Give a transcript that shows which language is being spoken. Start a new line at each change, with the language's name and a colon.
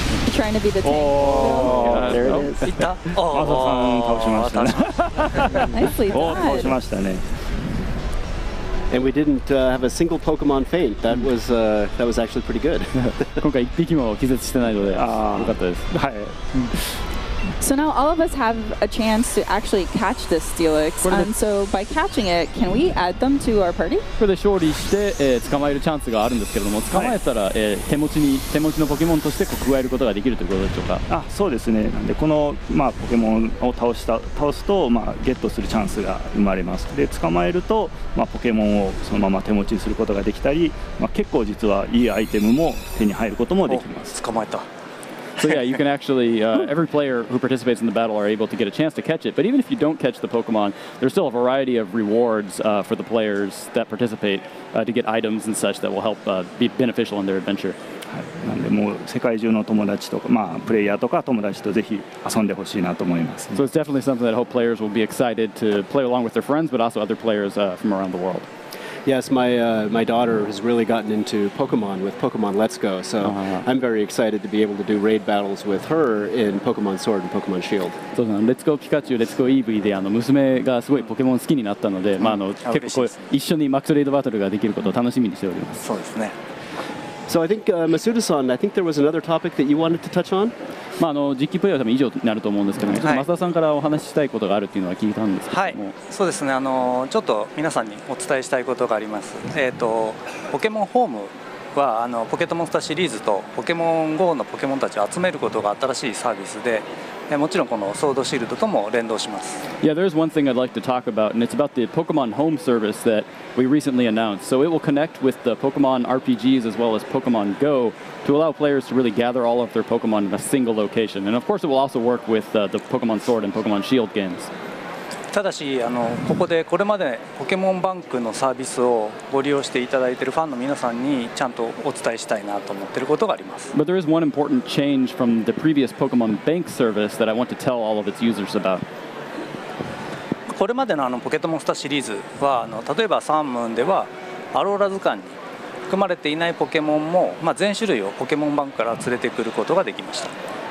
English: Trying to be the tank. There it is.
Japanese: 行った。マサさん倒しましたね。
English: Nicely done.
Japanese: 倒しましたね。
English: And we didn't have a single Pokemon faint. That was actually pretty good.
Japanese: 今回一匹も気絶してないので、良かったです。はい。
English: So now all of us have a chance to actually catch this Steelix. So by catching it, can we add them to our party?
Japanese: これで勝利して、捕まえるチャンスがあるんですけれども、捕まえたら、はい、手持ちのポケモンとしてこう加えることができるということでしょうか。あ、そうですね。で、この、まあ、ポケモンを倒すと、まあ、ゲットするチャンスが生まれます。で、捕まえると、まあ、ポケモンをそのまま手持ちにすることができたり、まあ、結構実はいいアイテムも手に入ることもできます。捕まえた。
English: So yeah, you can actually, every player who participates in the battle are able to get a chance to catch it. But even if you don't catch the Pokemon, there's still a variety of rewards for the players that participate to get items and such that will help be beneficial in their adventure.
Japanese: なんでもう世界中の友達とか、まあ、プレイヤーとか友達とぜひ遊んでほしいなと思います、ね。
English: So it's definitely something that I hope players will be excited to play along with their friends, but also other players from around the world. Yes, my daughter has really gotten into Pokemon with Pokemon Let's Go, so I'm very excited to be able to do raid battles with her in Pokemon Sword and Pokemon Shield.
Japanese: そうですね。Let's Go Pikachu、Let's Go Eevee で娘がすごいポケモン好きになったので、まあ結構こう一緒にマックスレイドバトルができることを楽しみにしております。そうですね。
English: So I think Masuda-san, I think there was another topic that you wanted to touch on?
Japanese: まあ、実機プレイは多分以上になると思うんですけども、はい、増田さんからお話ししたいことがあるっていうのは聞いたんですけども、はい、そうですね、ちょっと皆さんにお伝えしたいことがあります。ポケモンホームはポケットモンスターシリーズとポケモン GO のポケモンたちを集めることが新しいサービスで、もちろんこのソードシールドとも連動します。
English: Yeah, there's one thing I'd like to talk about, and it's about the Pokemon Home service that we recently announced. So it will connect with the Pokemon RPGs as well as Pokemon GO to allow players to really gather all of their Pokemon in a single location. And of course it will also work with the Pokemon Sword and Pokemon Shield games.
Japanese: ただし、ここでこれまでポケモンバンクのサービスをご利用していただいているファンの皆さんにちゃんとお伝えしたいなと思っていることがあります。
English: But there is one important change from the previous Pokemon Bank service that I want to tell all of its users about.
Japanese: これまで のポケットモンスターシリーズは例えばサンムーンではアローラ図鑑に含まれていないポケモンも、まあ、全種類をポケモンバンクから連れてくることができました。